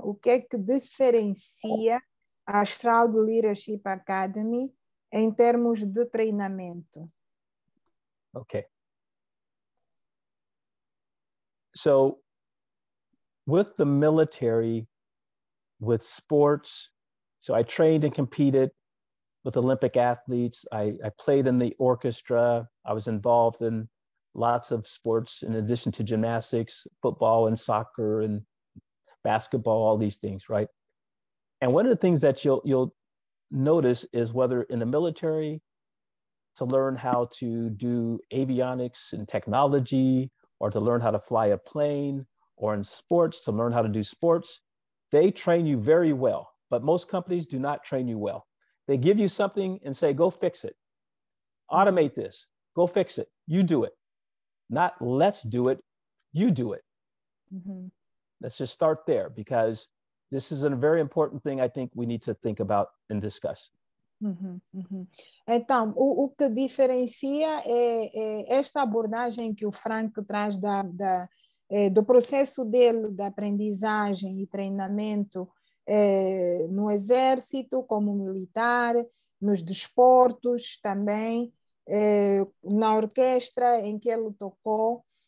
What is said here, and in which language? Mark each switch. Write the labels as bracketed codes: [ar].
[pt] O que é que diferencia a Stroud Leadership Academy em termos de treinamento? Okay. [en] So, with the military, with sports, so I trained and competed with Olympic athletes. I played in the orchestra. I was involved in lots of sports in addition to gymnastics, football and soccer and basketball, all these things, right? And one of the things that you'll notice is whether in the military to learn how to do avionics and technology or to learn how to fly a plane, or in sports, to learn how to do sports, they train you very well, but most companies do not train you well. They give you something and say, go fix it. Automate this, go fix it, you do it. Not let's do it, you do it. Mm-hmm. Let's just start there, because this is a very important thing I think we need to think about and discuss. [pt] Então, o que diferencia é esta abordagem que o Frank traz da do processo dele de aprendizagem e treinamento no exército, como militar, nos desportos também, na orquestra em que ele tocou.